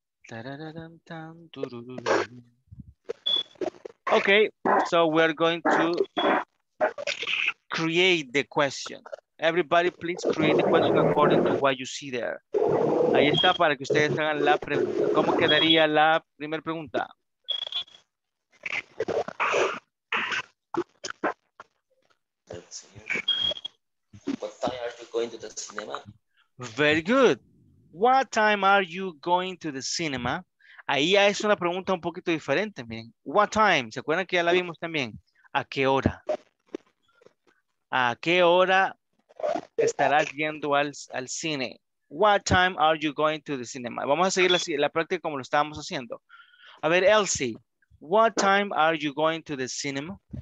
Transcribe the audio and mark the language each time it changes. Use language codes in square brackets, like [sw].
[en] Okay, so we're going to create the question. Everybody, please create the question according to what you see there. [es] Ahí está para que ustedes hagan la pregunta. ¿Cómo quedaría la primera pregunta? [en] What time are you going to the cinema? Very good. What time are you going to the cinema? [es] Ahí ya es una pregunta un poquito diferente, miren. [en] What time? [es] ¿Se acuerdan que ya la vimos también? ¿A qué hora? ¿A qué hora estarás yendo al cine? [en] What time are you going to the cinema? [es] Vamos a seguir la práctica como lo estábamos haciendo. A ver, [en] Elsie, what time are you going to the cinema?